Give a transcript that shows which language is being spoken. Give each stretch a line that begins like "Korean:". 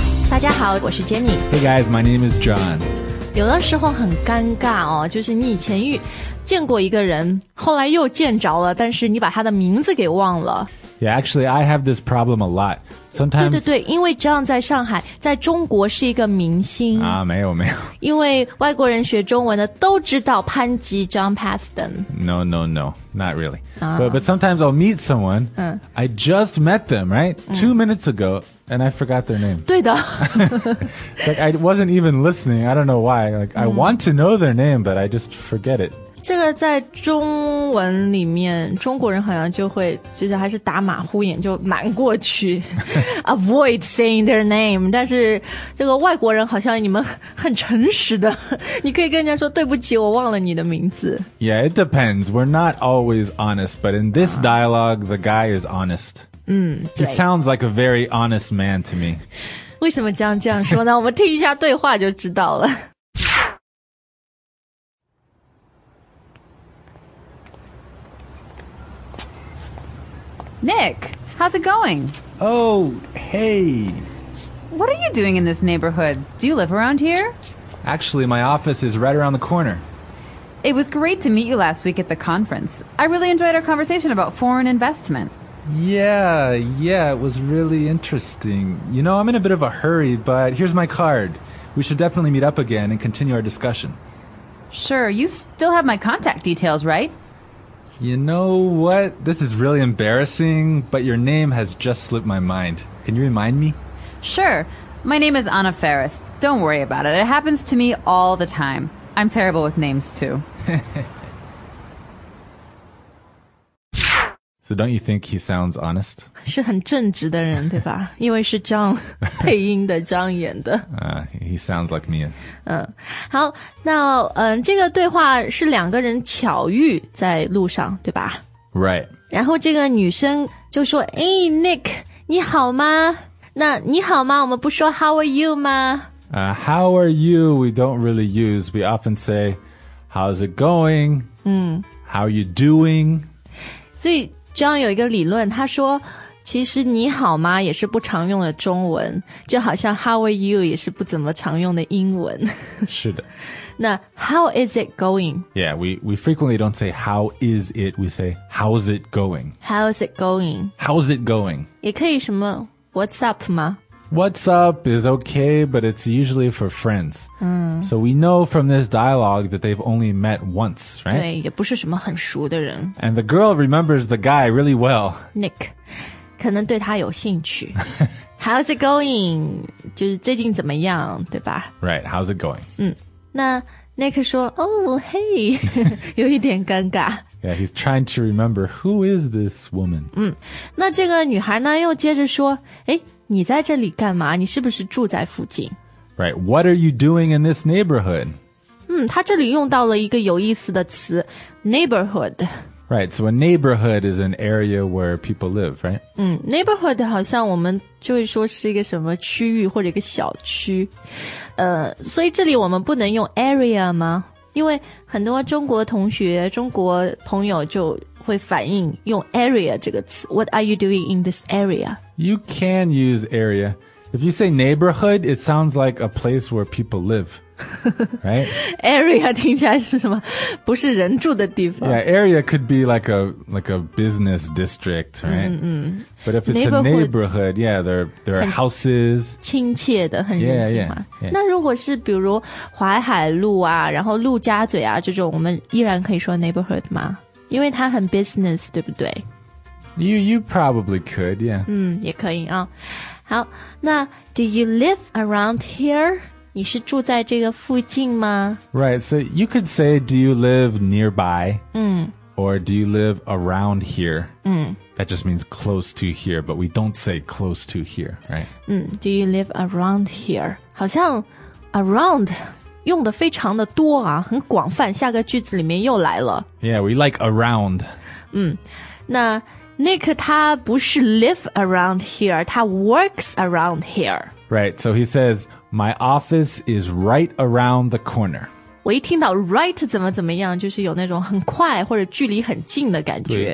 Chinese: 大家好，我是 Jenny。
English: Hey guys, my name is John。
Chinese: 有的时候很尴尬哦，就是你以前见过一个人，后来又见着了，但是你把他的名字给忘了。
English: Yeah, actually, I have this problem a lot. Sometimes,
Chinese: 对对对，因为 John 在上海，在中国是一个明星啊，没有没有，因为外国人学中文的都知道潘吉 John Paston.
English: No, no, no, not really.、But sometimes I'll meet someone,、I just met them, right? Two minutes ago, and I forgot their name.
Chinese: 对的
English: Like, I wasn't even listening, I don't know why. Like, I want to know their name, but I just forget it.
Chinese: 这个在中文里面中国人好像就会其实还是打马虎眼就瞒过去
English: avoid saying their name
Chinese: 但是这个外国人好像你们很诚实的你可以跟人家说对不起我忘了你的名字
English: Yeah, it depends. We're not always honest, but in this dialogue, the guy is honest. He sounds like a very honest man to me.
Chinese: 为什么这样说呢我们听一下对话就知道了。
English: Nick, how's it going? Oh, hey. What are you doing in this neighborhood? Do you live around here? Actually, my office is right around the corner. It was great to meet you last week at the conference. I really enjoyed our conversation about foreign investment. Yeah, it was really interesting. You know, I'm in a bit of a hurry, but here's my card. We should definitely meet up again and continue our discussion. Sure, you still have my contact details, right? You know what? This is really embarrassing, but your name has just slipped my mind. Can you remind me? Sure. My name is Anna Ferris. Don't worry about it. It happens to me all the time. I'm terrible with names, too. So don't you think he sounds honest?
Chinese: 是很正直的人，对吧？因为是 John 配音的 ，John 演的。
English: He sounds like me.
Chinese: 好，那这个对话是两个人巧遇在路上，对吧
English: ？Right.
Chinese: 然后这个女生就说：“哎 ，Nick， 你好吗？那你好吗？我们不说
English: How are you
Chinese: 吗？
English: How are you? We don't really use. We often say, How's it going? How are you doing?
Chinese: 所以。 John 有一个理论他说其实你好吗也是不常用的中文就好像
English: How are you
Chinese: 也是不怎么常用的英文是的
English: 那 How is it going? Yeah, we frequently don't say how is it We say how's it going How's it going How's it going
Chinese: 也可以什么
English: What's up
Chinese: 吗
English: What's up is okay But it's usually for friends So we know from this dialogue that they've only met once, right?
Chinese: 对，也不是什么很熟的人。
English: And the girl remembers the guy really well.
Chinese: Nick, 可能对他有兴趣。
English: How's it going?
Chinese: 就是最近怎么样，对吧？
English: Right, how's it going?
Chinese: 那 Nick 说
English: Oh, hey,
Chinese: 有一点尴尬。
English: Yeah, he's trying to remember who is this woman.
Chinese: 那这个女孩呢又接着说诶，你在这里干嘛？你是不是住在附近？
English: Right, what are you doing in this neighborhood?
Chinese: 他这里用到了一个有意思的词 neighborhood.
English: Right, so a neighborhood is an area where people live, right?
Chinese: Neighborhood 好像我们就会说是一个什么区域或者一个小区。所以这里我们不能用 area 吗？因为很多中国同学、中国朋友就会反应用 area 这个词。
English: What are you doing in this area? You can use area. If you say neighborhood, it sounds like a place where people live, right?
Chinese: area 听起来是什么？不是人住的地方。
English: Yeah, area could be like a business district, right? But if it's neighborhood, yeah, there are houses.
Chinese: 亲切的，很人情嘛。
English: Yeah, yeah, yeah.
Chinese: 那如果是比如淮海路啊，然后陆家嘴啊这种，我们依然可以说 neighborhood 吗？因为它很 business, 对不对？
English: You probably could, yeah.
Chinese: 也可以啊。
English: 好，那 do you live around here?
Chinese: 你是住在这个附近吗
English: Right, so you could say, do you live nearby? Or do you live around here? That just means close to here, but we don't say close to here, right? Do you live around here?
Chinese: 好像 around 用的非常的多啊，很广泛，下个句子里面又来了。
English: Yeah, we like around. 那Nick,
Chinese: 他不是
English: live around here, 他 works around here. Right, so he says, my office is right around the corner.
Chinese: 我一听到 right 怎么怎么样，就是有那种很快或者距离很近的感觉。